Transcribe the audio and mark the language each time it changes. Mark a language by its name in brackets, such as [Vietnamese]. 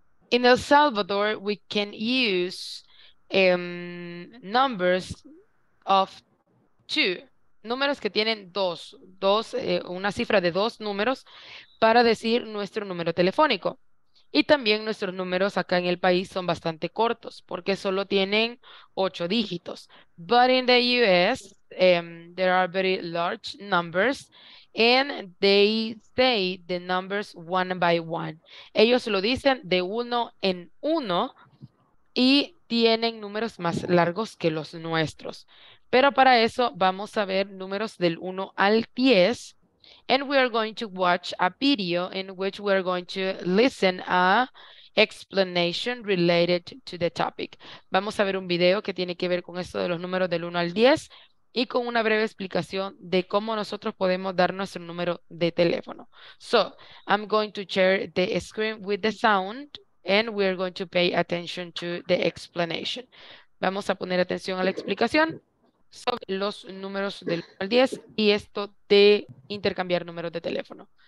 [English] In El Salvador, we can use numbers of 2. [Spanish] Números que tienen una cifra de 2 números para decir nuestro número telefónico. Y también nuestros números acá en el país son bastante cortos porque solo tienen 8 dígitos. [English] But in the US, there are very large numbers and they say the numbers one by one. [Spanish] Ellos lo dicen de uno en uno y tienen números más largos que los nuestros. Pero para eso vamos a ver números del 1 al 10. [English] And we are going to watch a video in which we are going to listen a explanation related to the topic. [Spanish] Vamos a ver un video que tiene que ver con esto de los números del 1 al 10 y con una breve explicación de cómo nosotros podemos dar nuestro número de teléfono. [English] So, I'm going to share the screen with the sound and we are going to pay attention to the explanation. [Spanish] Vamos a poner atención a la explicación sobre los números del 1 al 10 y esto de intercambiar números de teléfono.